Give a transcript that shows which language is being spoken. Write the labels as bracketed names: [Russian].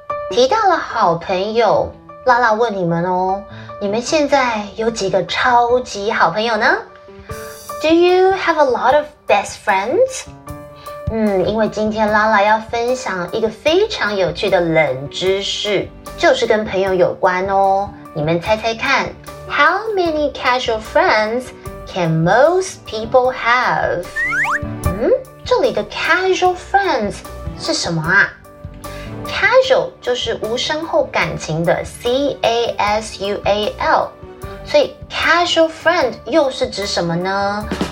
[Chinese] 提到了好朋友，拉拉问你们哦，你们现在有几个超级好朋友呢？ [English] Do you have a lot of best friends? [Chinese] 因为今天拉拉要分享一个非常有趣的冷知识，就是跟朋友有关哦。你们猜猜看 ， [English] How many casual friends can most people have？ [Chinese] 这里的 casual friends 是什么啊 ？Casual 就是无深厚感情的 ，casual， 所以 casual friend 又是指什么呢？